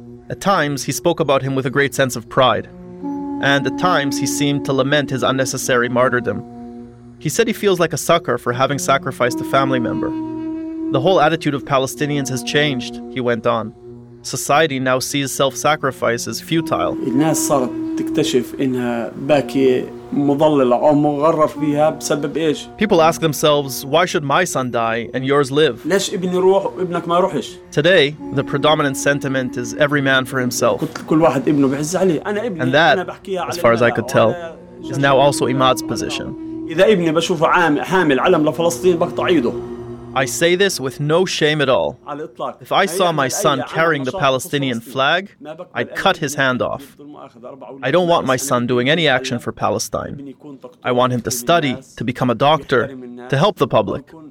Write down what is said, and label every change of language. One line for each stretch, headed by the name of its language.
English: At times, he spoke about him with a great sense of pride, and at times, he seemed to lament his unnecessary martyrdom. He said he feels like a sucker for having sacrificed a family member. The whole attitude of Palestinians has changed, he went on. society now sees self-sacrifice as futile.
Arabic: الناس صارت تكتشف انها باكية مضللة او مغرر فيها بسبب ايش.
English: People ask themselves, why should my son die and yours live?
Arabic: ليش ابني يروح وابنك ما يروحش.
English: Today, the predominant sentiment is every man for himself.
Arabic: كل واحد ابنه بيعز عليه. انا ابني
English: and that,
Arabic: انا بحكيها
English: على as far as I could tell is now also Imad's position.
Arabic: اذا ابني بشوفه عامل حامل علم لفلسطين بقطع ايده.
English: I say this with no shame at all. If I saw my son carrying the Palestinian flag, I'd cut his hand off. I don't want my son doing any action for Palestine. I want him to study, to become a doctor, to help the public.